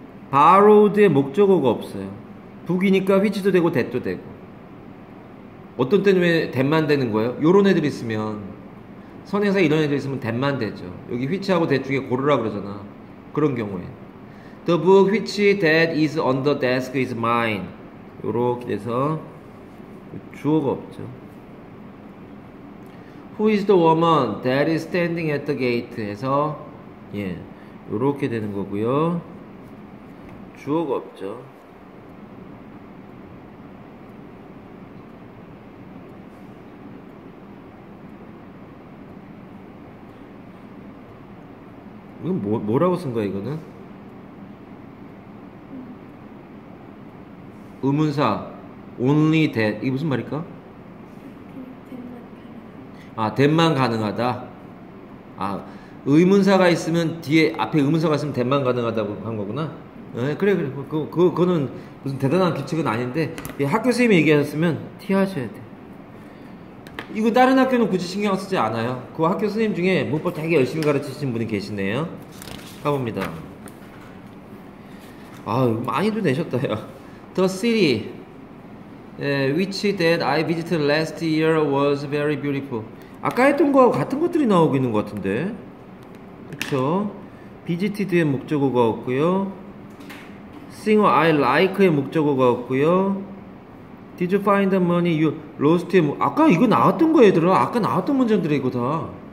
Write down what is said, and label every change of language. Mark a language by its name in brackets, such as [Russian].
[Korean] borrowed의 목적어가 없어요. book이니까 which도 되고 that도 되고. 어떤 때는 왜 댓만 되는 거예요? 요런 애들 있으면 선행사 이런 애들 있으면 댓만 되죠. 여기 휘치하고 대 중에 고르라 그러잖아. 그런 경우에 [English] The book which that is on the desk is mine. [Korean] 요렇게 돼서 주어가 없죠. [English] Who is the woman that is standing at the gate? [Korean] 해서 예 요렇게 되는 거고요. [English] 주어가 없죠. [Korean] 이건 뭐라고 쓴 거야, 이거는? 의문사, only that. 이게 무슨 말일까? 아, 됐만 가능하다. 아, 의문사가 있으면 뒤에 앞에 의문사가 있으면 됐만 가능하다고 한 거구나. 에, 그래. 그거는 무슨 대단한 규칙은 아닌데, 예, 학교 선생님이 얘기하셨으면 티하셔야 돼. 이거 다른 학교는 굳이 신경 쓰지 않아요. 그 학교 선생님 중에 문법 되게 열심히 가르치신 분이 계시네요. 가봅니다. 아, 많이도 내셨다요. [English] The city which that I visited last year was very beautiful. [Korean] 아까 했던 거하고 같은 것들이 나오고 있는 것 같은데. 그쵸? Visited의 목적어가 없고요. [English] Sing I like [Korean] 의 목적어가 없고요. [English] Did you find the money you lost? [Korean] 아까 이거 나왔던 거 얘들아. 아까 나왔던 문장들이 이거 다.